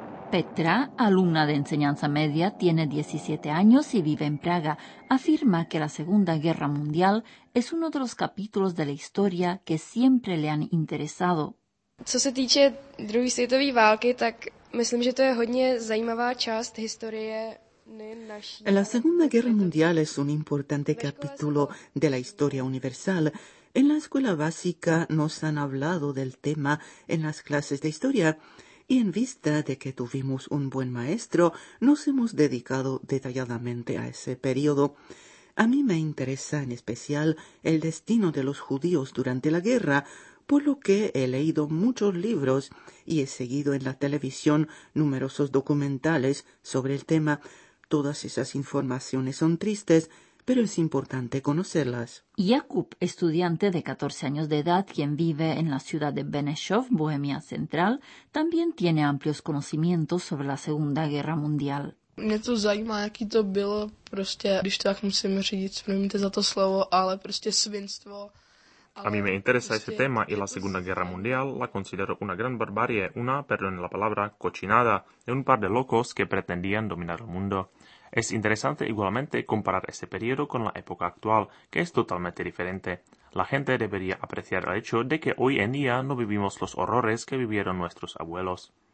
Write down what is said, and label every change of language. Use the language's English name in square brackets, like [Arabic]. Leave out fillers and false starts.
[Spanish] Petra, alumna de enseñanza media, tiene 17 años y vive en Praga. Afirma que la Segunda Guerra Mundial es uno de los capítulos de la historia que siempre le han interesado. [Czech] Co se týče druhé světové války, tak myslím, že to je hodně zajímavá část historie. [Spanish] La Segunda Guerra Mundial es un importante capítulo de la historia universal. En la escuela básica nos han hablado del tema en las clases de historia. Y en vista de que tuvimos un buen maestro, nos hemos dedicado detalladamente a ese periodo. A mí me interesa en especial el destino de los judíos durante la guerra, por lo que he leído muchos libros y he seguido en la televisión numerosos documentales sobre el tema. Todas esas informaciones son tristes, pero es importante conocerlas. Jakub, estudiante de 14 años de edad, quien vive en la ciudad de Benešov, Bohemia Central, también tiene amplios conocimientos sobre la Segunda Guerra Mundial. [Czech] Mě to zajímá, jaký to bylo, prostě, když to tak musím říct, promiňte za to slovo, ale prostě svinstvo. [Spanish] A mí me interesa ese tema y la Segunda Guerra Mundial la considero una gran barbarie, una, perdón la palabra, cochinada, de un par de locos que pretendían dominar el mundo. Es interesante igualmente comparar ese periodo con la época actual, que es totalmente diferente. La gente debería apreciar el hecho de que hoy en día no vivimos los horrores que vivieron nuestros abuelos.